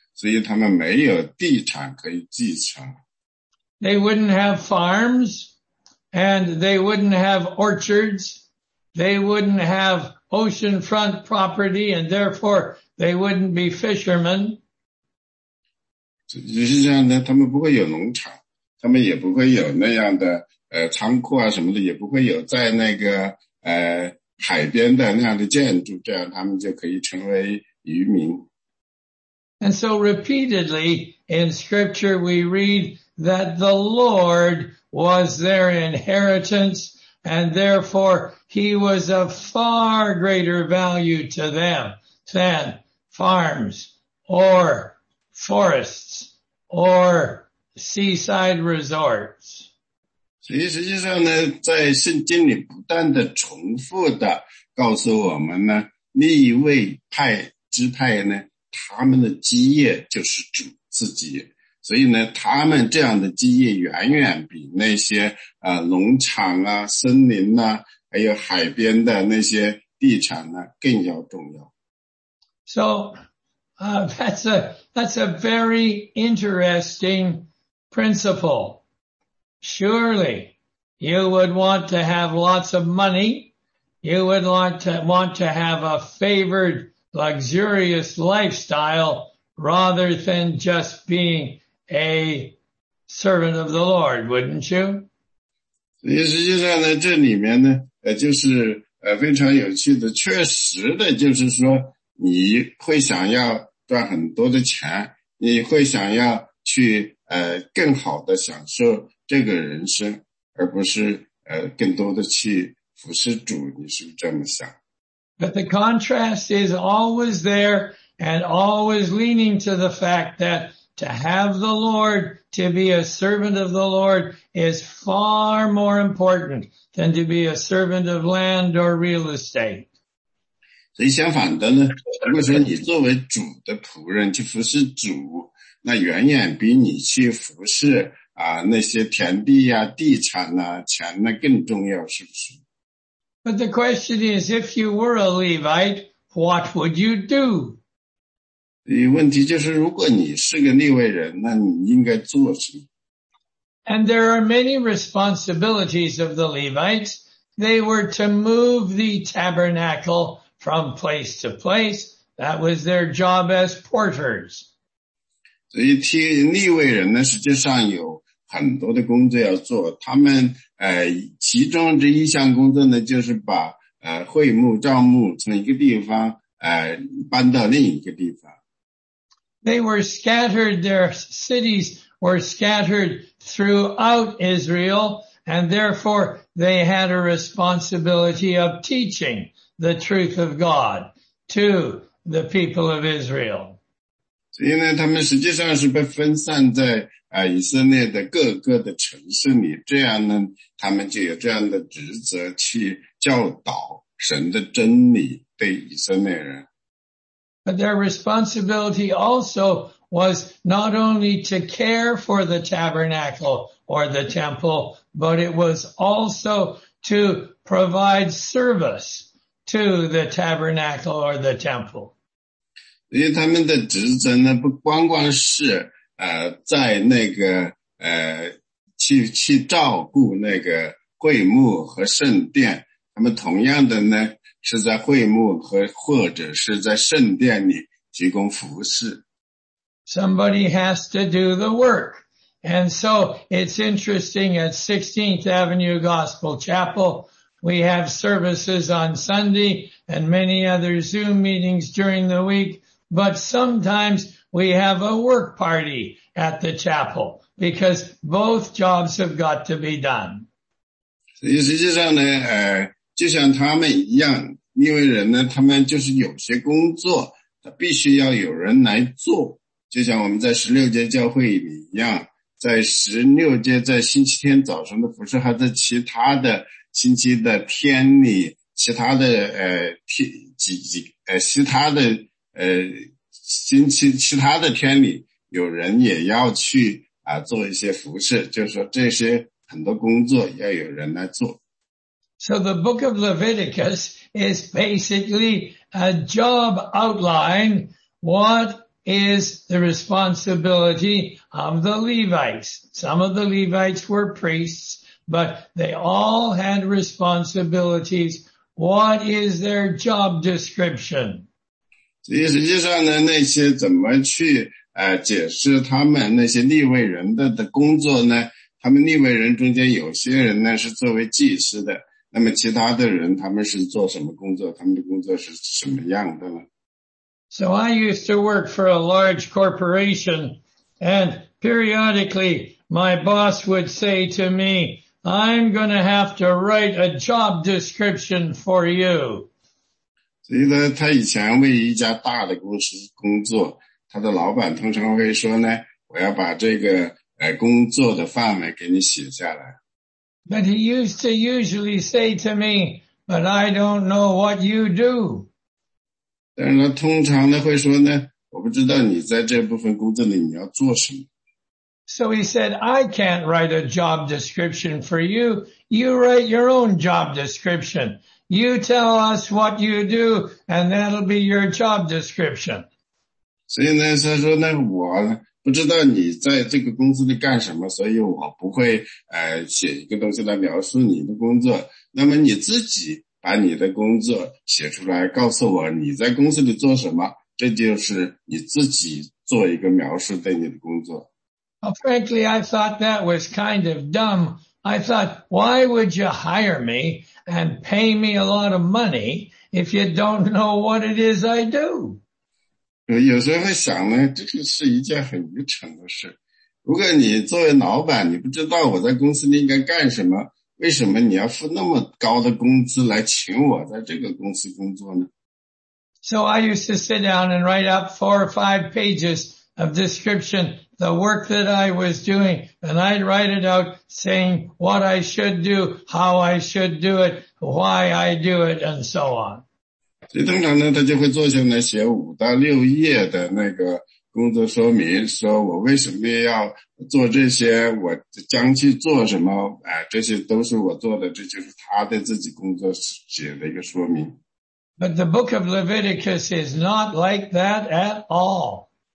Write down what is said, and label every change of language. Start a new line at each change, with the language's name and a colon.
Chinese: 所以呢，实际上呢，这里非常有趣的，他们因为他们被告知要服侍主，所以他们没有地产可以继承。
English: They wouldn't have farms, and they wouldn't have orchards. They wouldn't have oceanfront property, and therefore they wouldn't be fishermen.
Chinese: 就是这样的，他们不会有农场，他们也不会有那样的仓库啊什么的，也不会有在那个海边的那样的建筑，这样他们就可以成为渔民。
English: And so repeatedly in scripture we read that the Lord was their inheritance, and therefore he was of far greater value to them than farms or forests or seaside resorts.
Chinese: 所以实际上呢，在圣经里不断的重复的告诉我们呢，利未派支派呢，他们的基业就是主自己，所以呢，他们这样的基业远远比那些农场啊、森林呐、啊，还有海边的那些地产呢、啊，更要重要。
English: So, that's a very interesting principle. Surely, you would want to have lots of money. You would want to have a favored, luxurious lifestyle rather than just being a servant of the Lord, wouldn't you?
Chinese: 所以实际上呢，这里面呢，就是非常有趣的，确实的，就是说你会想要赚很多的钱，你会想要去更好的享受这个人生，而不是更多的去服侍主，你是这么想。
English: But the contrast is always there and always leaning to the fact that to have the Lord, to be a servant of the Lord is far more important than to be a servant of land or real estate.
Chinese: 所以相反的呢，如果说你作为主的仆人去服侍主，那远远比你去服侍那些田地啊、地产啊、钱呢更重要，是不是？
English: But the question is, if you were a Levite, what would you do?
Chinese: 问题就是如果你是个利未人，那你应该做什么？
English: And there are many responsibilities of the Levites. They were to move the tabernacle from place to place. That was their job as porters.
Chinese: 所以替利未人呢，实际上有很多的工作要做，他们其中这一项工作呢，就是把会幕帐幕从一个地方搬到另一个地方。
English: They were scattered, their cities were scattered throughout Israel, and therefore they had a responsibility of teaching the truth of God to the people of Israel.
Chinese: 所以呢，他们实际上是被分散在以色列的各个的城市里，这样呢，他们就有这样的职责去教导神的真理对以色列人。
English: But their responsibility also was not only to care for the tabernacle or the temple, but it was also to provide service to the tabernacle or the temple.
Chinese: 因为他们的职责呢，不光光是在那个去照顾那个会幕和圣殿，他们同样的呢是在会幕和或者是在圣殿里提供服侍。
English: Somebody has to do the work. And so it's interesting at 16th Avenue Gospel Chapel, we have services on Sunday and many other Zoom meetings during the week, but sometimes we have a work party at the chapel because both jobs have got to be done.
Chinese: 所以实际上呢，就像他们一样，因为人呢，他们就是有些工作，他必须要有人来做。就像我们在16届教会里一样，在16届在星期天早上的服侍，还在其他的星期的天里，其他的其他的天里有人也要去做一些服侍，就是说这些很多工作要有人来做。
English: So the book of Leviticus is basically a job outline. What is the responsibility of the Levites? Some of the Levites were priests, but they all had responsibilities. What is their job description?
Chinese: 所以实际上呢，那些怎么去解释他们那些利未人的工作呢？他们利未人中间有些人呢是作为祭司的，那么其他的人他们是做什么工作？他们的工作是什么样的呢
English: ？So I used to work for a large corporation, and periodically my boss would say to me, "I'm going to have to write a job description for you."
Chinese: 所以呢，他以前为一家大的公司工作，他的老板通常会说呢，我要把这个工作的范围给你写下来。
English: But he used to usually say to me, but I don't know what you do.
Chinese: 但是他通常呢会说呢，我不知道你在这部分工作里你要做什么。
English: So he said, I can't write a job description for you. You write your own job description. You tell us what you do, and that'll be your job description.
Chinese: 所以呢，他说呢，我不知道你在这个公司里干什么，所以我不会写一个东西来描述你的工作。那么你自己把你的工作写出来，告诉我你在公司里做什么，这就是你自己做一个描述对你的工作。
English: Well, frankly, I thought that was kind of dumb. I thought, why would you hire me and pay me a lot of money if you don't know what it is I do?
Chinese: 有时候会想呢，这个是一件很愚蠢的事。如果你作为老板，你不知道我在公司里应该干什么，为什么你要付那么高的工资来请我在这个公司工作呢？
English: So I used to sit down and write up 4 or 5 pages of description. The work that I was doing, and I'd write it out saying what I should do, how I should do it, why I do it, and so on.
Chinese: 所以通常呢，他就会坐下来写5到6页的那个工作说明，说我为什么要做这些，我将去做什么，这些都是我做的，这就是他的自己工作写的一个说明。
English: But the book of Leviticus is not like that at all.